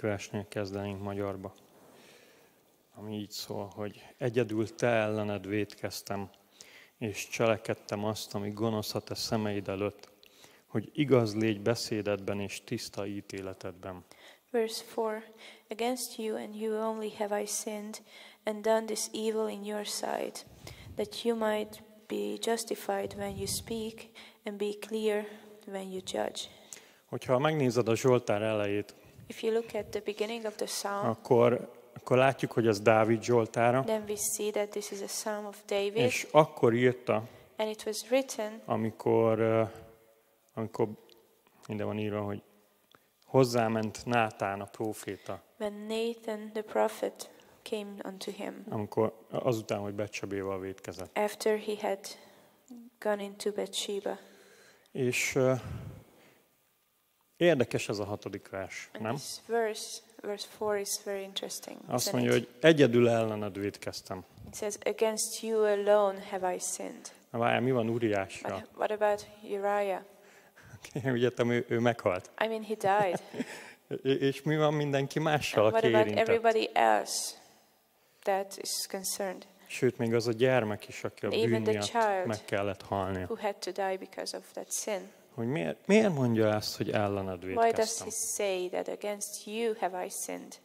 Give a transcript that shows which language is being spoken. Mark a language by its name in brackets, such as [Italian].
[Hungarian] versnél kezdenénk magyarba. Ami így szól, hogy egyedül te ellened vétkeztem, és cselekedtem azt, ami gonosz a te szemeid előtt, hogy igaz légy beszédedben és tiszta ítéletedben. [English] Verse 4. Against you and you only have I sinned and done this evil in your sight, that you might be justified when you speak and be clear when you judge. [Hungarian] Hogyha megnézed a Zsoltár elejét, [English] if you look at the beginning of the psalm, [Hungarian] akkor látjuk, hogy ez Dávid Zsoltára. [English] Then we see that this is a psalm of David. [Hungarian] És akkor írta, [English] and it was written, [Hungarian] amikor minden van írva, hogy hozzáment Nátán a próféta. [English] When Nathan the prophet came unto him. [Hungarian] Amikor azután, hogy Betsabéval vétkezett. [English] After he had gone into Bathsheba. [Hungarian] És érdekes ez a hatodik vers, nem? [English] This verse 4 is very interesting. [Hungarian] Azt mondja, hogy egyedül ellened vétkeztem. [English] It says against you alone have I sinned. [Hungarian] Na, várjál, mi van Uriásra? [English] What about Uriah? [Hungarian] Ügyettem, ő meghalt. [English] I mean, he died. [Hungarian] És mi van mindenki mással, aki érintett? [English] What about everybody else that is concerned? [Hungarian] Sőt, még az a gyermek is, aki a bűn miatt meg kellett halnia. [English] Who had to die because of that sin. [Hungarian] Hogy miért mondja ezt, hogy ellened vétkeztem? [English] Why does he say that against you have I sinned?